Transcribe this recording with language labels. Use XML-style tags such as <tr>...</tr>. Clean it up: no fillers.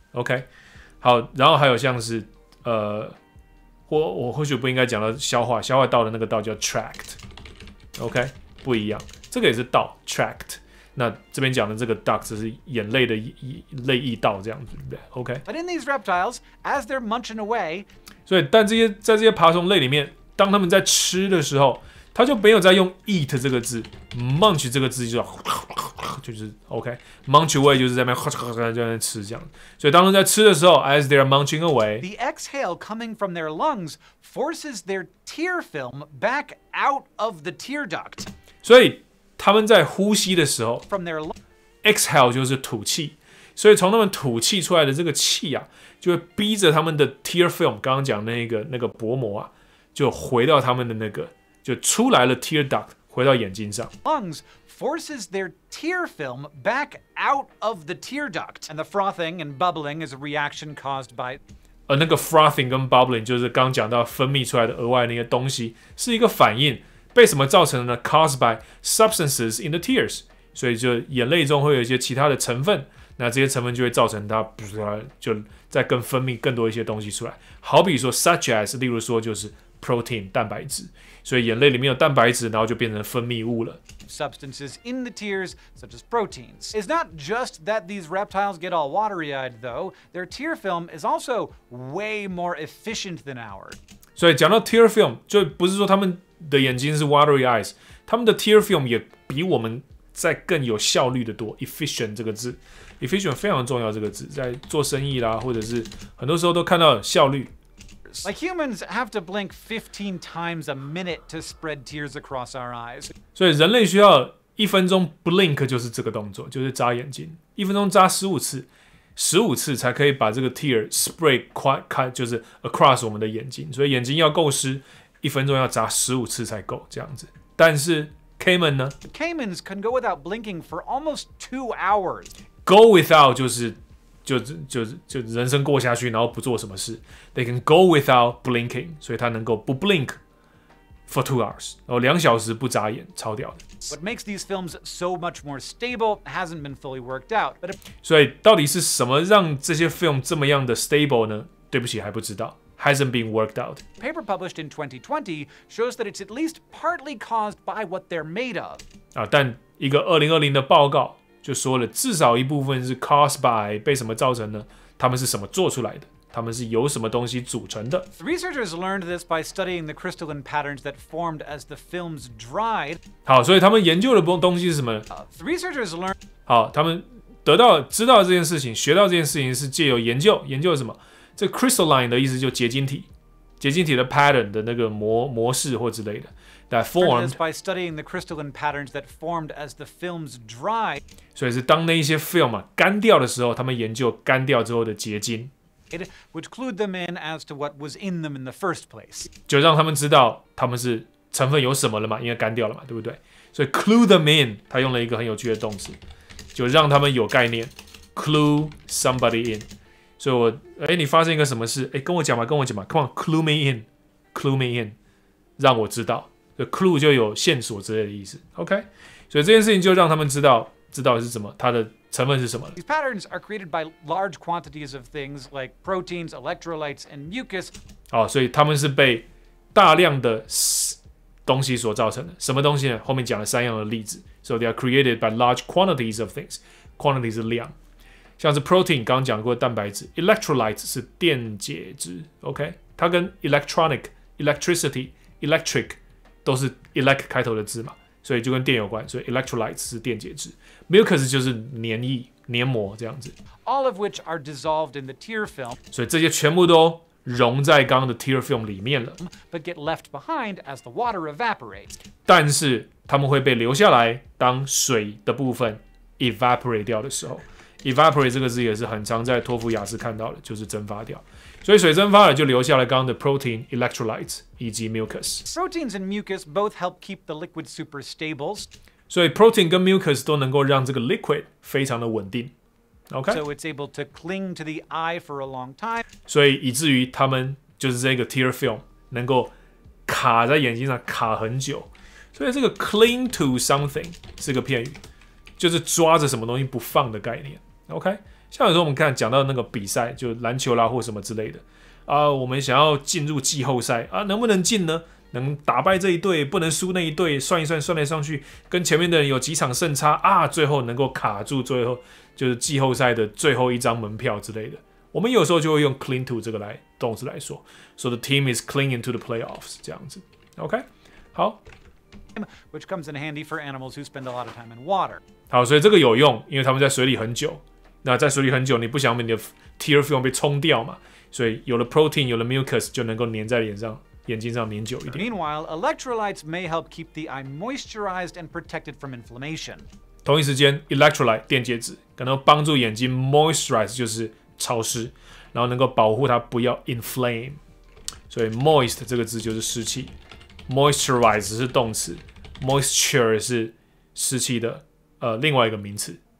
<zh>OK， 好，然后还有像是我或许不应该讲到消化，消化道的那个道叫 tract。 OK， 不一样，这个也是道 tract。那这边讲的这个 duct 是眼泪的泪液道这样子，对不对 ？OK。</zh> <en>But in these reptiles, as they're munching away，</en> <zh>所以但这些在这些爬虫类里面，当他们在吃的时候。他就没有在用 eat 这个字 ，munch 这个字就是 OK，munch away 就是在那边哗哗哗在那边吃这样。所以当他们在吃的时候 ，</zh> <en>as they're munching away， the exhale coming from their lungs forces their tear film back out of the tear duct。</en> <zh>所以他们在呼吸的时候</zh> <en>，from their</en> <zh>exhale 就是吐气，所以从他们吐气出来的这个气啊，就会逼着他们的 tear film， 刚刚讲那个薄膜啊，就回到他们的那个。就出来了 tear duct 回到眼睛上</zh> <en>lungs forces their tear film back out of the tear duct and the frothing and bubbling is a reaction caused by</en> <zh>那个 frothing 跟 bubbling 就是刚讲到分泌出来的额外的那些东西是一个反应被什么造成的呢</zh> <en>caused by substances in the tears</en> <zh>所以就眼泪中会有一些其他的成分那这些成分就会造成它就再更分泌更多一些东西出来好比说</zh> <en>such as</en> <zh>例如说就是 protein 蛋白质所以眼泪里面有蛋白质，然后就变成分泌物了。</zh> <en>Substances in the tears, such as proteins, is not just that these reptiles get all watery-eyed, though. Their tear film is also way more efficient than ours.</en> <zh>所以讲到 tear film， 就不是说他们的眼睛是 watery eyes， 他们的 tear film 也比我们在更有效率的多。 Efficient 这个字 ，efficient 非常重要这个字，在做生意啦，或者是很多时候都看到效率。</zh> <en>Like humans have to blink 15 times a minute to spread tears across our eyes.</en> <zh>所以人类需要一分钟 blink 就是这个动作，就是眨眼睛，一分钟眨15次才可以把这个 tear spread 开，就是 across 我们的眼睛。所以眼睛要够湿，一分钟要眨15次才够这样子。但是 caiman 呢</zh> <en>？Caimans can go without blinking for almost 2 hours.</en> <zh>Go without 就是人生过下去，然后不做什么事。</zh> <en>They can go without blinking，</en> <zh>所以他能够不 blink</zh> <en>for 2 hours，</en> <zh>然后2小时不眨眼，超屌的。</zh> <en>What makes these films so much more stable hasn't been fully worked out， but</en> <zh>所以到底是什么让这些 film 这么样的 stable 呢？对不起，还不知道。</zh> <en>Hasn't been worked out. Paper published in 2020 shows that it's at least partly caused by what they're made of.</en> <zh>啊，但一个2020的报告。就说了，至少一部分是</zh> <en>caused by</en> <zh>被什么造成呢？他们是什么做出来的？他们是由什么东西组成的</zh> <en>？Researchers learned this by studying the crystalline patterns that formed as the films dried.</en> <zh>好，所以他们研究的东西是什么</zh> <en>？Researchers learned.</en> <zh>好，他们得到知道这件事情，学到这件事情是借由研究什么？这 crystalline 的意思就结晶体的 pattern 的那个模式或之类的。</zh> <en>That formed by studying the crystalline patterns that formed as the films dried.</en> <zh>所以是当那一些 film 啊干掉的时候，他们研究干掉之后的结晶。</zh> <en>It would clue them in as to what was in them in the first place.</en> <zh>就让他们知道他们是成分有什么了嘛，因为干掉了嘛，对不对？所以 clue them in， 他用了一个很有趣的动词，就让他们有概念。</zh> <en>Clue somebody in.</en> <zh>所以我，你发生一个什么事？跟我讲嘛，跟我讲嘛。</zh> <en>Come on, clue me in.</en> <zh>Clue me in. 让我知道。 The clue 就有线索之类的意思 ，OK， 所以这件事情就让他们知道是什么，它的成分是什么。</zh> <en>These patterns are created by large quantities of things like proteins, electrolytes, and mucus.</en> <zh>好，所以他们是被大量的东西所造成的。什么东西呢？后面讲了三样的例子。</zh> <en>So they are created by large quantities of things.</en> <zh>Quantity 是量，像是 protein 刚刚讲过的蛋白质 ，electrolytes 是电解质 ，OK， 它跟 electronic, electricity, electric。都是 elect 开头的字嘛，所以就跟电有关，所以 electrolytes 是电解质 ，mucus 就是黏液、黏膜这样子。</zh> <en>All of which are dissolved in the tear film。</en> <zh>所以这些全部都融在刚刚的 tear film 里面了。</zh> <en>But get left behind as the water evaporates。</en> <zh>但是他们会被留下来，当水的部分 evaporate 掉的时候 ，evaporate 这个字也是很常在托福雅思看到的，就是蒸发掉。所以水蒸发了，就留下了刚刚的 protein、electrolytes 以及 mucus。</zh> <en>Proteins and mucus both help keep the liquid super stable.</en> <zh>所以 protein 跟 mucus 都能够让这个 liquid 非常的稳定。</zh> <en>Okay. So it's able to cling to the eye for a long time.</en> <zh>所以以至于他们就是这个 tear film 能够卡在眼睛上卡很久。所以这个 cling to something 是个片语，就是抓着什么东西不放的概念。 OK， 像有时候我们看讲到那个比赛，就篮球啦或什么之类的啊，我们想要进入季后赛啊，能不能进呢？能打败这一队，不能输那一队，算一算，算来算去，跟前面的人有几场胜差啊，最后能够卡住，最后就是季后赛的最后一张门票之类的。我们有时候就会用 cling to 这个来动词来说 ，</zh> <en>so the team is clinging to the playoffs</en> <zh>这样子。 OK， 好。</zh> <en>Which comes in handy for animals who spend a lot of time in water.</en> <zh>好，所以这个有用，因为他们在水里很久。那在水里很久，你不想你的 tear film 被冲掉嘛？所以有了 protein， 有了 mucus， 就能够粘在脸上。眼睛上黏久一点。</zh> <en>Meanwhile, electrolytes may help keep the eye moisturized and protected from inflammation.</en> <zh>同一时间 ，electrolyte 电解质可能帮助眼睛 moisturize 就是潮湿，然后能够保护它不要 inflame。所以 moist 这个字就是湿气 ，moisturize 是动词 ，moisture 是湿气的另外一个名词。</zh>